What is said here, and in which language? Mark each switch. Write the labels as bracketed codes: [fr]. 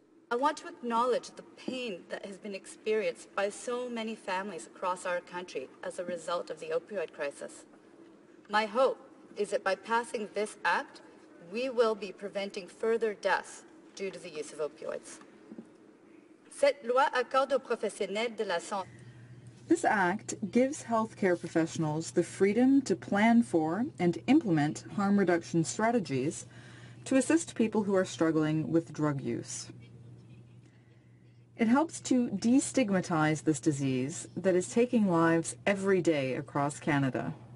[en] I want to acknowledge the pain that has been experienced by so many families across our country as a result of the opioid crisis. My hope is that by passing this act, we will be preventing further deaths due to the use of opioids. [fr] Cette loi accorde aux professionnels de la santé. [en] This act gives healthcare professionals the freedom to plan for and implement harm reduction strategies to assist people who are struggling with drug use. It helps to destigmatize this disease that is taking lives every day across Canada.